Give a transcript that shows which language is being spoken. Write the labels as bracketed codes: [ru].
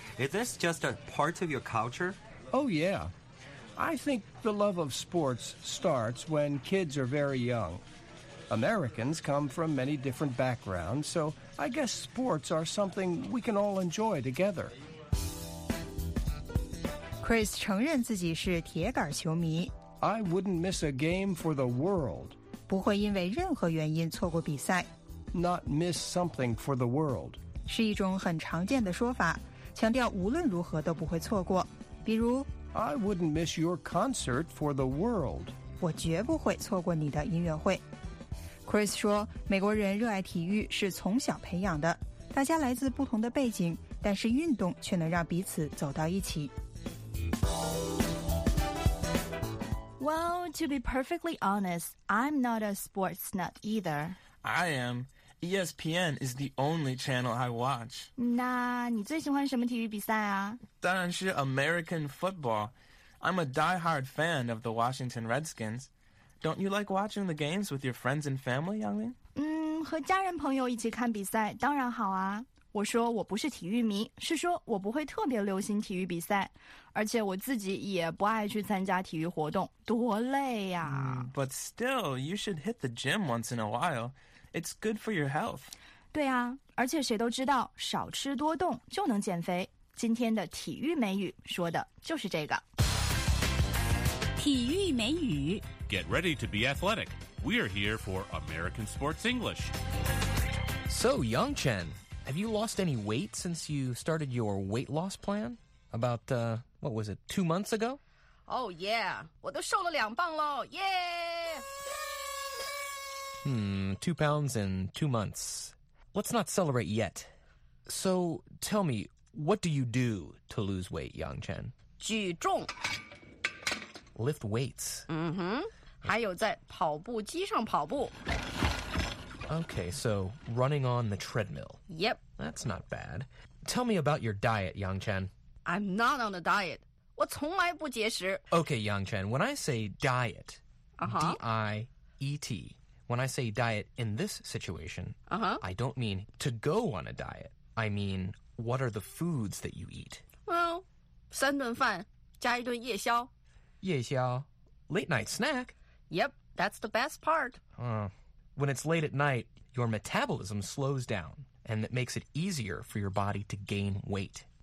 [en] Is this just a part of your culture? Oh, yeah. I think the love of sports starts when kids are very young. Americans come from many different backgrounds, so I guess sports are something we can all enjoy together. [zh] Chris 承认自己是铁杆球迷。 [en] I wouldn't miss a game for the world. [zh] 不会因为任何原因错过比赛。 [en] Not miss something for the world [zh] 是一种很常见的说法，强调无论如何都不会错过。比如 [en] I wouldn't miss your concert for the world [zh] 我绝不会错过你的音乐会。Chris 说美国人热爱体育是从小培养的，大家来自不同的背景，但是运动却能让彼此走到一起。 [en] Well, to be perfectly honest, I'm not a sports nut either. I amESPN is the only channel I watch. [zh] 那你最喜欢什么体育比赛啊？当然是 [en] American football. I'm a diehard fan of the Washington Redskins. Don't you like watching the games with your friends and family, Yanglin? [zh] 和家人朋友一起看比赛当然好啊。我说我不是体育迷，是说我不会特别留心体育比赛，而且我自己也不爱去参加体育活动，多累呀。 [en] But still, you should hit the gym once in a while. It's good for your health. [zh] 对啊，而且谁都知道少吃多动就能减肥。今天的体育美语说的就是这个。体育美语。 [en] Get ready to be athletic. We're here for American Sports English. So, Yangchen, have you lost any weight since you started your weight loss plan? About, what was it, 2 months ago? Oh, yeah. [zh] 我都瘦了两磅了 Yeah! [en] 2 pounds in 2 months. Let's not celebrate yet. So, tell me, what do you do to lose weight, Yangchen? [zh] 举重。 [en] Lift weights. [zh] 还有在跑步机上跑步。 [en] Okay, so running on the treadmill. Yep. That's not bad. Tell me about your diet, Yangchen. I'm not on a diet. [zh] 我从来不节食。 [en] Okay, Yangchen, when I say diet, D-I-E-T... When I say diet in this situation, I don't mean to go on a diet. I mean, what are the foods that you eat? [zh] Well, 三顿饭加一顿夜宵。 [en] 夜宵 Late night snack. Yep, that's the best part. When it's late at night, your metabolism slows down, and it makes it easier for your body to gain weight.